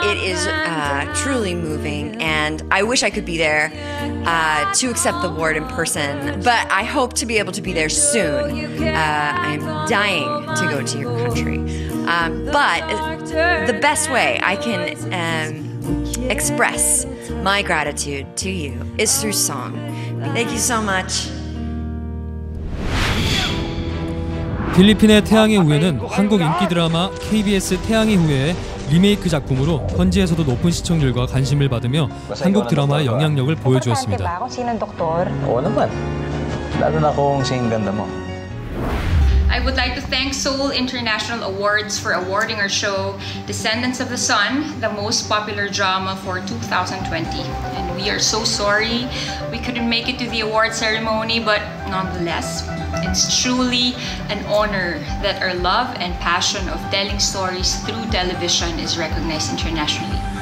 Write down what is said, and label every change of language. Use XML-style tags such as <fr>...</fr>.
<en>It is truly moving, and I wish I could be there to accept the award in person, but I hope to be able to be there soon. I'm dying to go to your country. But the best way I can express my gratitude to you is through song. Thank you so much.</en> <ko>필리핀의 태양의 후예는 한국 인기 드라마 KBS 태양의 후예의 리메이크 작품으로 현지에서도 높은 시청률과 관심을 받으며 한국 드라마의 영향력을 보여주었습니다.</ko> <en>I would like to thank Seoul International Awards for awarding our show Descendants of the Sun the most popular drama for 2020. And we are so sorry we couldn't make it to the award ceremony, but nonetheless, it's truly an honor that our love and passion of telling stories through television is recognized internationally.</en>